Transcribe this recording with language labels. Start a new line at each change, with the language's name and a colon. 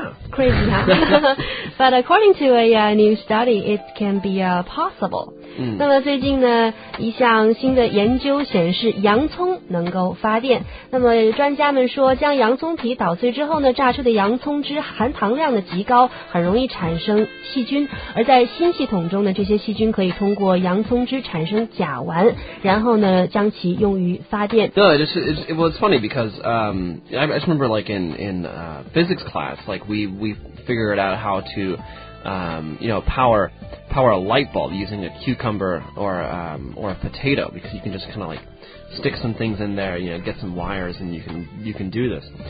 English: Crazy, huh? But according to a new study, it can be possible.
Chinese: 那么最近呢，一项新的研究显示洋葱能够发电。那么专家们说，将洋葱皮捣碎之后呢，榨出的洋葱汁含糖量的极高，很容易产生细菌。而在新系统中呢，这些细菌可以通过洋葱汁产生甲烷，然后呢将其用于发电。
English: No, it's funny because I just remember like in physics class, like we figured out how to, you know, power a light bulb using a cucumber or a potato, because you can just kind of like stick some things in there, you know, get some wires, and you can do this.